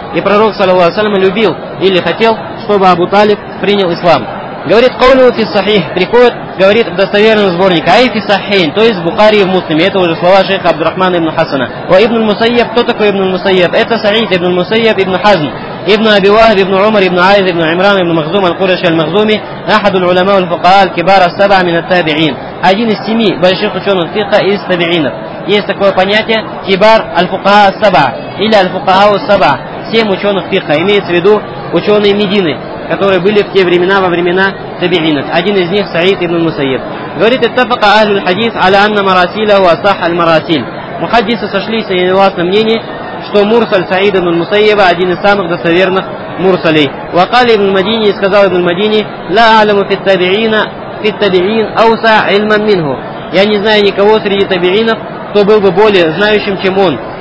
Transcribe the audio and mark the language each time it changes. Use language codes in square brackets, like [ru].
[ru] И пророк, саллаллаху алейхи ва саллям, любил или хотел, чтобы Абу Талиб принял ислам. Говорит, «Кавлю фи сахих», приходит, говорит, в достоверном сборнике, «Ай фи сахейн», то есть в Бухари и в Муслиме. Это уже слова шейха Абдурахмана ибн Хасана. «Ва ибн аль-Мусайяб», кто такой ибн аль-Мусайяб? Это Саид ибн аль-Мусайяб ибн Хазм. [ar] ابن أبي واهب ابن عمر ابن عايز ابن عمران ابن مخزوم القرشي المخزومي أحد العلماء والفقهاء الكبار السبع من التابعين [ru] один из семи больших ученых фикха из табиинов. Есть такое понятие кибар аль-фукаха саба или аль-фукаха саба, семь ученых фикха. Имеется в виду ученые Медины, которые были в те времена, во времена табиинов. Один из них Саид ибн Мусайб. [ar] Говорит, اتفق أهل الحديث على أن مراسيله أصح المراسيل. [ru] Мухаддисы сошлись и согласны мнение, что Мурсаль Саид ибн Мусайяба один из самых достоверных Мурсалей. Вакали ибн Мадини, сказал ибн Мадини, «Ла аляму фит табиин ауса ильман минху». Я не знаю никого среди табиинов, кто был бы более знающим, чем он.